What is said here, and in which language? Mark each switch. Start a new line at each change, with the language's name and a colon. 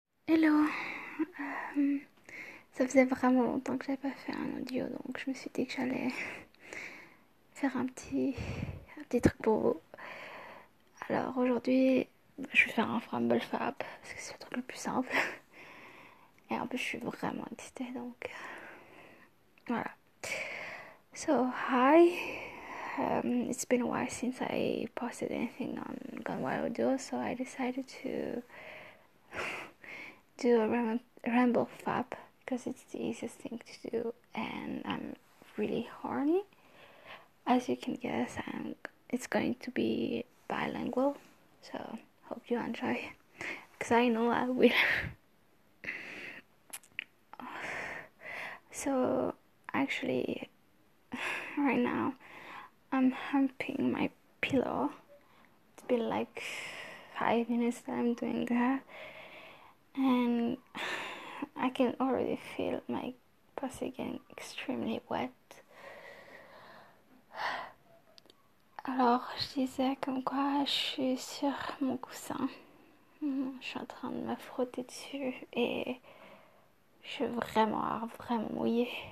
French: Hello, ça faisait vraiment longtemps que j'avais pas fait un audio, donc je me suis dit que j'allais faire un petit truc pour vous. Alors aujourd'hui, je vais faire un Fumble Fab, parce que c'est le truc le plus simple. Et en plus, je suis vraiment excitée, donc voilà.
English: So, hi, it's been a while since I posted anything on Gone Wild Audio, so I decided to do a ramble fab because it's the easiest thing to do and I'm really horny. As you can guess, it's going to be bilingual, so hope you enjoy because I know I will. So actually right now I'm humping my pillow. It's been like 5 minutes that I'm doing that. And I can already feel my pussy getting extremely wet.
French: Alors, je disais comme quoi je suis sur mon coussin. Je suis en train de me frotter dessus et je suis vraiment mouillée.